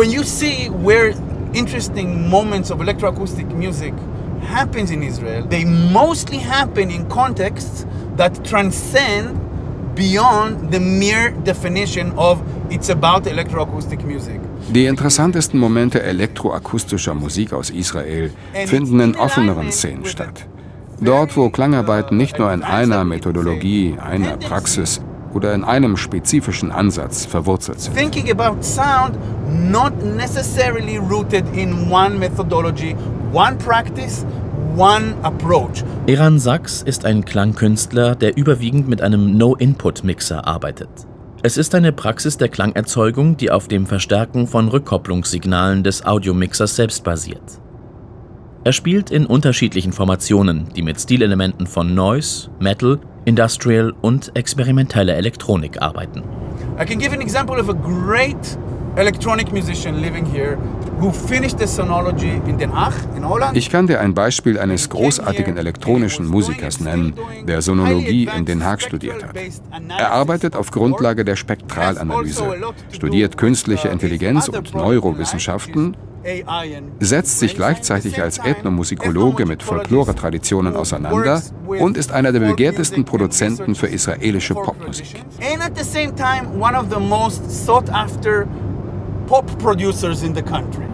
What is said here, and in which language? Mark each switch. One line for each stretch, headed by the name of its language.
English: When you see where interesting moments of electroacoustic music happens in Israel, they mostly happen in contexts that transcend beyond the mere definition of it's about electroacoustic music.
German: Die interessantesten Momente elektroakustischer Musik aus Israel finden in offeneren Szenen statt. Dort, wo Klangarbeiten nicht nur in einer Methodologie, einer Praxis oder in einem spezifischen Ansatz verwurzelt sind.
English: Thinking about sound not necessarily rooted in one methodology, one practice, one approach.
German: Eran Sachs ist ein Klangkünstler, der überwiegend mit einem No-Input-Mixer arbeitet. Es ist eine Praxis der Klangerzeugung, die auf dem Verstärken von Rückkopplungssignalen des Audiomixers selbst basiert. Er spielt in unterschiedlichen Formationen, die mit Stilelementen von Noise, Metal, Industrial und experimenteller Elektronik arbeiten.
English: I can give an example of a great electronic musician living here who finished the Sonology in Den Haag in Holland.
German: Ich kann dir ein Beispiel eines großartigen elektronischen Musikers nennen, der Sonologie in Den Haag studiert hat. Er arbeitet auf Grundlage der Spektralanalyse, studiert künstliche Intelligenz und Neurowissenschaften, setzt sich gleichzeitig als Ethnomusikologe mit Folklore-Traditionen auseinander und ist einer der begehrtesten Produzenten für israelische Popmusik.
English: And at the same time one of the most sought after pop producers in the country.